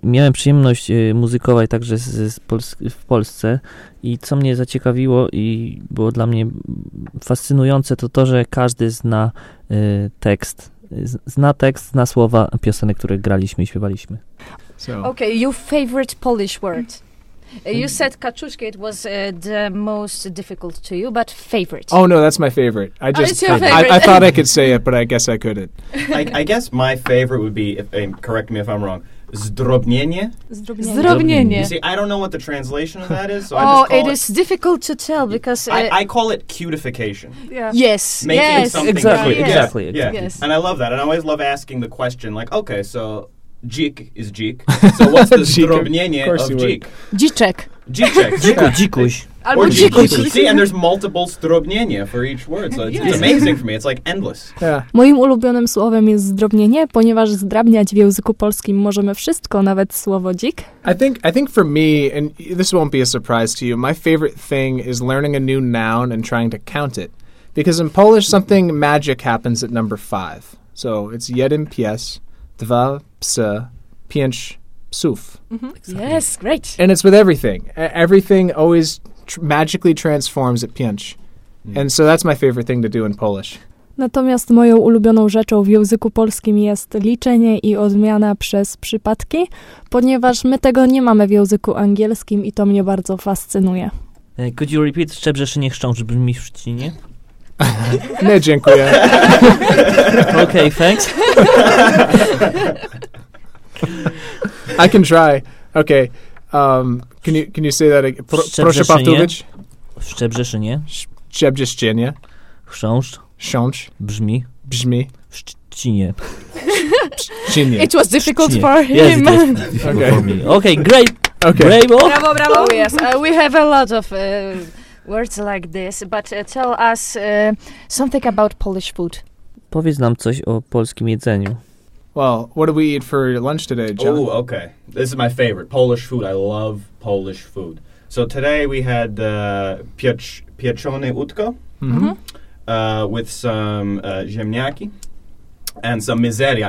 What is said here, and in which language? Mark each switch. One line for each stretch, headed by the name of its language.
Polish: Miałem przyjemność muzykować także w Polsce. I co mnie zaciekawiło i było dla mnie fascynujące, to, że każdy zna tekst. Zna tekst, zna słowa piosenek, które graliśmy i śpiewaliśmy.
English: So. Okay, your favorite Polish word. You said kaczuszki, it was the most difficult to you, but favorite. Oh, no, that's my favorite. I just, it's your favorite. I thought I could say it, but I guess I couldn't. I guess my favorite would be, correct me if I'm wrong, zdrobnienie.
Polish: Zdrobnienie.
English: You see, I don't know what the translation of that is, so oh, I just call it is difficult to tell because... I call it cutification. Yeah. Yes. Making yes. something exactly. Cute. Exactly. Yeah. Exactly. Yeah. Yes. And I love that. And I always love asking the question, like, okay, so... Dzik is dzik. So what's the zdrobnienie of dzik?
Polish: Dziczek. Dziczek. Dziku, dzikuś. Or dzikuś.
English: See, and there's multiple zdrobnienie for each word. So it's amazing for me. It's like endless. Yeah.
Polish: Moim ulubionym słowem jest zdrobnienie, ponieważ zdrabniać w języku polskim możemy wszystko, nawet słowo dzik.
English: I think for me, and this won't be a surprise to you, my favorite thing is learning a new noun and trying to count it. Because in Polish, something magic happens at number 5. So it's
Polish: jeden pies, dwa, psa, pięć, psów.
English: Yes, great. And it's with everything. Everything always magically transforms at pięć. And so that's my favorite thing to do in Polish.
Polish: Natomiast moją ulubioną rzeczą w języku polskim jest liczenie i odmiana przez przypadki, ponieważ my tego nie mamy w języku angielskim i to mnie bardzo fascynuje.
English: Could you repeat?
Polish: Szczebrzeszynie chrząszcz brzmi w trzcinie. Nie, dziękuję.
English: Okay, thanks. I can try. Okay. Can you say that again?
Polish: Proszę powtórzyć. Szczebrzeszynie. Szczebrzeszczynie. Chrząszcz. Chrząszcz. Brzmi. Brzmi. Szczcinie. Szczcinie.
English: It was difficult for him. Yes, it was difficult for me. Okay, great. Okay. Bravo. Bravo, bravo, yes. We have a lot of... words like this, but tell us something about Polish food.
Polish: Powiedz nam coś o polskim jedzeniu.
English: Well, what did we eat for lunch today, John? Oh, okay. This is my favorite. Polish food. I love Polish food. So today we had
Polish: pieczone utko
English: with some ziemniaki and some mizeria.